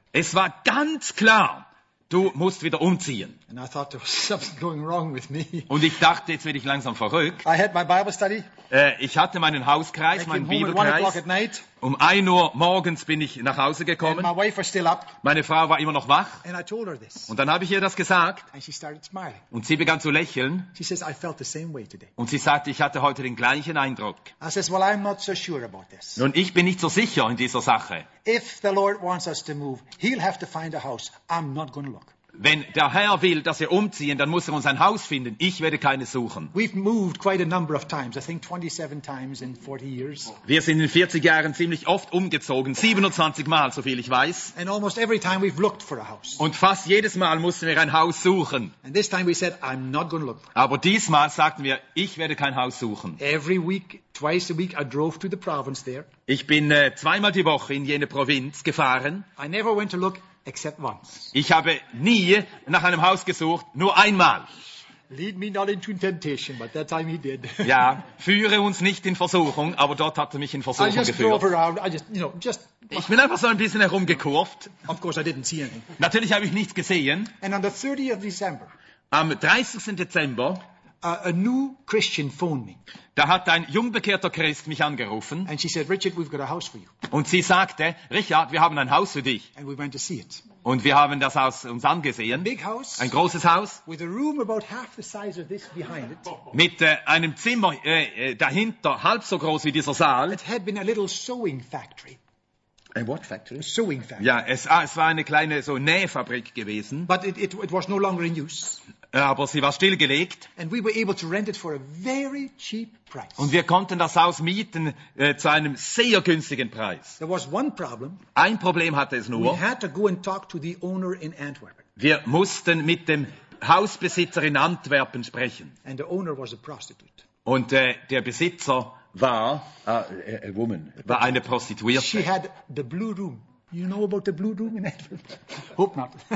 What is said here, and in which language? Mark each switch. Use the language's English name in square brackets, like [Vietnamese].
[German] Es war ganz klar, du musst wieder umziehen. [English] And I thought there was something going wrong with me. [German] Und ich dachte, jetzt werde ich langsam verrückt. [English] I had my Bible study. [German] Ich hatte meinen Hauskreis, meinen Bibelkreis. Um 1 Uhr morgens bin ich nach Hause gekommen. [English] And my wife was still up. [German] Meine Frau war immer noch wach. [English] And I told her this. [German] Und dann habe ich ihr das gesagt. [English] And she started smiling. [German] Und sie begann zu lächeln. [English] She says, I felt the same way today. [German] Und sie sagte, ich hatte heute den gleichen Eindruck. [English] I says, well, I'm not so sure about this. [German] Nun, ich bin nicht so sicher in dieser Sache. [English] If the Lord wants us to move, he'll have to find a house. I'm not going to look. [German] Wenn der Herr will, dass wir umziehen, dann muss er uns ein Haus finden. Ich werde keines suchen. [English] We've moved quite a number of times. I think 27 times in 40 years. [German] Wir sind in 40 Jahren ziemlich oft umgezogen. 27 Mal, so viel ich weiß. [English] And almost every time we've looked for a house. [German] Und fast jedes Mal mussten wir ein Haus suchen. [English] And this time we said, I'm not going to look. [German] Aber diesmal sagten wir, ich werde kein Haus suchen. [English] Every week, twice a week, I drove to the province there. [German] Ich bin zweimal die Woche in jene Provinz gefahren. [English] I never went to look. Except once. [German] Ich habe nie nach einem Haus gesucht, nur einmal. [English] Lead me not into temptation, but that time he did. [German] Ja, führe uns nicht in Versuchung, aber dort hat er mich in Versuchung [English] I just [German] geführt. [English] Drove around. I just, you know, just... [German] Ich bin einfach so ein bisschen herumgekurvt. [English] Of course I didn't see anything. [German] Natürlich habe ich nichts gesehen. [English] And on the 30th of December, [German] am 30. Dezember, [English] a new Christian phoned me. [German] Da hat ein jungbekehrter Christ mich angerufen. [English] And she said, Richard, we've got a house for you. [German] Und sie sagte, Richard, wir haben ein Haus für dich. [English] And we went to see it. [German] Und wir haben das Haus uns angesehen. [English] A big house, [German] ein großes Haus. [English] With a room about half the size of this behind it. [German] Mit einem Zimmer dahinter, halb so groß wie dieser Saal. [English] It had been a little sewing factory. A what factory? A sewing factory. [German] Ja, es war eine kleine so Nähfabrik gewesen. [English] But it was no longer in use. [German] Aber sie war stillgelegt. [English] And we were able to rent it for a very cheap price. [German] Und wir konnten das Haus mieten zu einem sehr günstigen Preis. [English] There was one problem. [German] Ein Problem hatte es nur. [English] We had to go and talk to the owner in Antwerp. [German] Wir mussten mit dem Hausbesitzer in Antwerpen sprechen. [English] And the owner was a prostitute. [German] Und der Besitzer war [English] a woman, [German] war eine Prostituierte. [English] She had the blue room. You know about the blue room in Antwerp? Hope not.